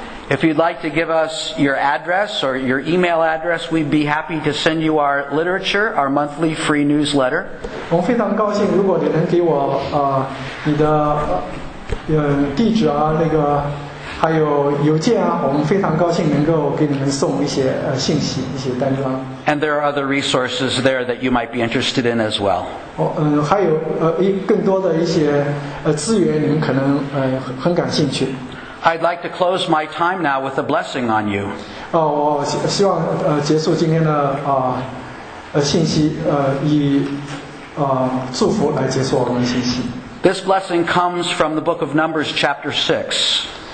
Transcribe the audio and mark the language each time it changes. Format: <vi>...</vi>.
<en>If you'd like to give us your address or your email address, we'd be happy to send you our literature, our monthly free newsletter.</en> <zh>我非常高兴，如果你能给我你的地址啊，那个还有邮件啊，我们非常高兴能够给你们送一些信息，一些单张。</zh> <en>And there are other resources there that you might be interested in as well.</en> <zh>还有更多的一些资源，你们可能很感兴趣。</zh> <en>I'd like to close my time now with a blessing on you.</en> <zh>我希望结束今天的信息以祝福来结束我们的信息。</zh> <en>This blessing comes from the book of Numbers, chapter 6.</en>